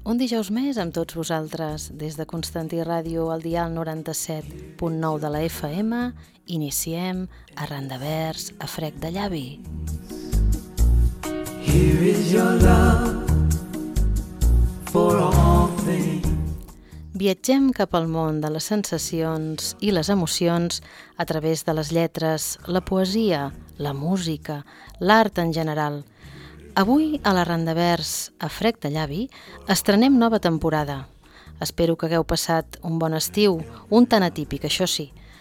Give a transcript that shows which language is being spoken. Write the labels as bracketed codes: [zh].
[ca] Un dijous més amb tots vosaltres, des de Constantí Ràdio, al dial 97.9 de la FM, iniciem Arran de Vers, a frec de llavi. [en] Here is your love for all things. [ca] Viatgem cap al món de les sensacions i les emocions a través de les lletres, la poesia, la música, l'art en general. Avui, a l'Arran de Vers, a frec de llavi, estrenem nova temporada. Espero que hagueu passat un bon estiu, un tan atípic, això sí.